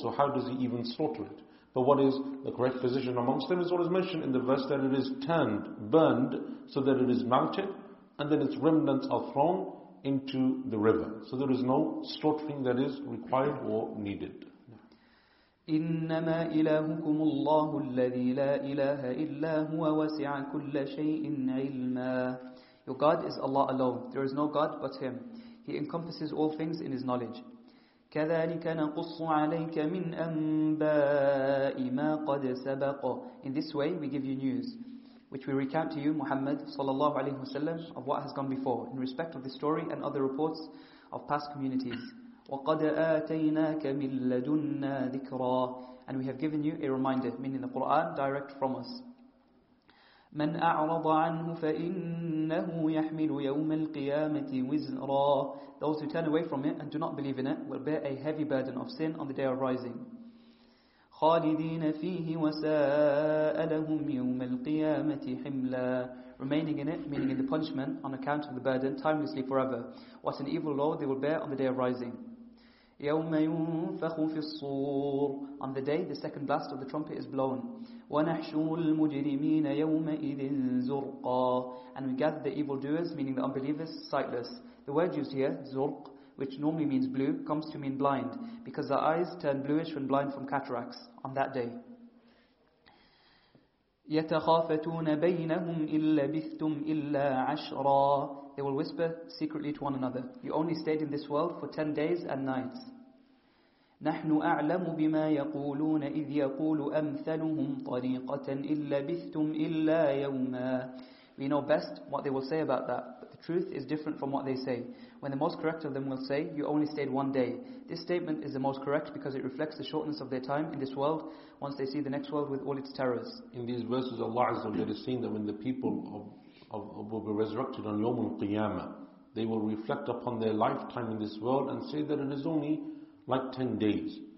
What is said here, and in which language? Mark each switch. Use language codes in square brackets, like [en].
[en] So how does he even slaughter it? But what is the correct position amongst them is what is mentioned in the verse, that it is turned, burned, so that it is melted, and then its remnants are thrown into the river. So there is no slaughtering that is required or needed. [ar] إنما إلهكم الله الذي لا إله إلا هو وسع كل شيء علما. [en] Your God is Allah alone. There is no God but Him. He encompasses all things in His knowledge. [ar] كذلك نقص عليك من أنباء ما قد سبق. [en] In this way we give you news, which we recount to you, Muhammad sallallahu alaihi wasallam, of what has gone before in respect of this story and other reports of past communities. [ar] وَقَدْ آتَيْنَاكَ مِنْ لَدُنَّا ذِكْرًا. [en] And we have given you a reminder, meaning the Qur'an, direct from us. [ar] من أعرض عنه فإنه يحمل يوم القيامة وزرا. [en] Those who turn away from it and do not believe in it will bear a heavy burden of sin on the day of rising. [ar] خالدين فيه وساء لهم يوم القيامة حملا. [en] Remaining in it, meaning in the punishment on account of the burden, timelessly forever. What an evil load they will bear on the day of rising. [ar] يوم ينفخ في الصور. [en] On the day the second blast of the trumpet is blown. [ar] ونحشر المجرمين يومئذ زرقا. [en] And we gather the evildoers, meaning the unbelievers, sightless. The word used here, زرق, which normally means blue, comes to mean blind, because their eyes turn bluish when blind from cataracts on that day. [ar] يتخافتون بينهم إن لبثتم إلا عشرا. [en] They will whisper secretly to one another, you only stayed in this world for 10 days and nights. [ar] نحن أعلم بما يقولون إذ يقول أمثلهم طريقة إن لبثتم إلا يوما. [en] We know best what they will say about that, but the truth is different from what they say. When the most correct of them will say, you only stayed one day. This statement is the most correct because it reflects the shortness of their time in this world once they see the next world with all its terrors. In these verses, Allah Azza wa Jalla is saying that when the people of will be resurrected on Yawm al-Qiyamah, they will reflect upon their lifetime in this world and say that it is only like 10 days.